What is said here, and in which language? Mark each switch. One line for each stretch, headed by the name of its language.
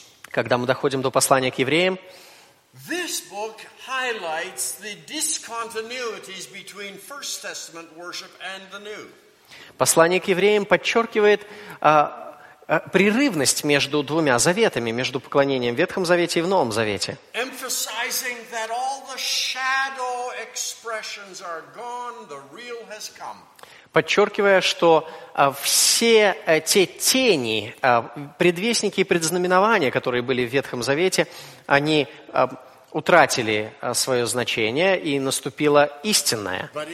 Russian: Когда мы доходим до послания к евреям,
English: this book highlights the discontinuities between First Testament worship and the New.
Russian: Послание к евреям подчеркивает прерывность между двумя заветами, между поклонением в Ветхом Завете и в Новом Завете.
English: Emphasizing that all the shadow expressions are gone, the real has come.
Russian: Подчеркивая, что все те тени, предвестники и предзнаменования, которые были в Ветхом Завете, они утратили свое значение, и наступило истинное.